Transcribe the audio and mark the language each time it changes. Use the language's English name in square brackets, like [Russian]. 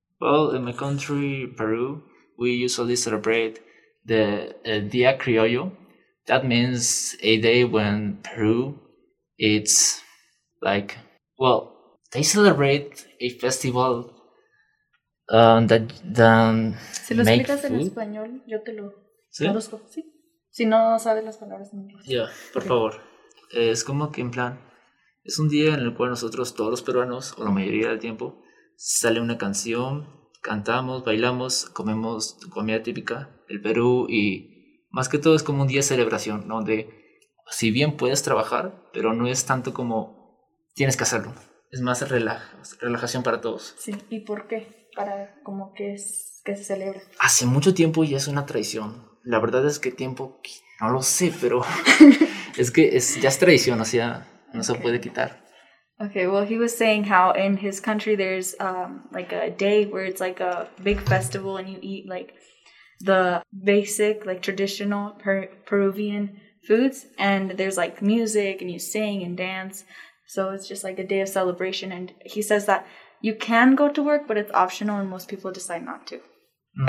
[English] Well, in my country, Peru, we usually celebrate the Dia Criollo. That means a day when Peru, it's like, well, they celebrate a festival that then [Spanish] si lo explicas en español, yo te lo traduzco. ¿Sí? ¿Sí? Si no sabes las palabras en inglés. [English] Yeah, [Spanish] por [English] okay. [Spanish] favor. Es como que en plan, es un día en el cual nosotros todos los peruanos, o la mayoría del tiempo, sale una canción, cantamos, bailamos, comemos comida típica del Perú y más que todo es como un día de celebración, ¿no? Donde si bien puedes trabajar, pero no es tanto como tienes que hacerlo. Es más relajación para todos. Sí, ¿y por qué? ¿Para como que se celebra? Hace mucho tiempo ya es una tradición. La verdad es que tiempo, no lo sé, pero es que es, ya es tradición, o sea, no se puede quitar. [English] Okay, well, he was saying how in his country there's like a day where it's like a big festival and you eat like the basic, like traditional Peruvian foods and there's like music and you sing and dance. So it's just like a day of celebration. And he says that you can go to work, but it's optional and most people decide not to. Mm.